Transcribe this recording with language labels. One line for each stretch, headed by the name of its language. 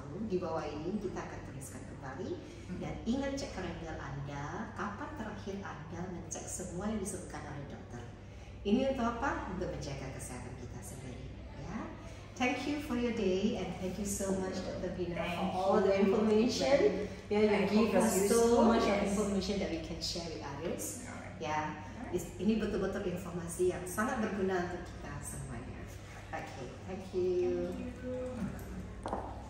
Indonesian: di bawah ini kita akan tuliskan kembali. Dan ingat cek kalender Anda, kapan terakhir Anda ngecek semua yang disebutkan oleh dokter. Ini untuk apa? Untuk menjaga kesehatan kita sendiri. Ya.
English: Thank you for your day and thank you so much Dr. Bina for all the information. Yeah, you give us so much of information that we can share with others. Yeah.
Indonesian: Ini betul-betul informasi yang sangat berguna untuk kita semuanya.
English: Okay, thank you.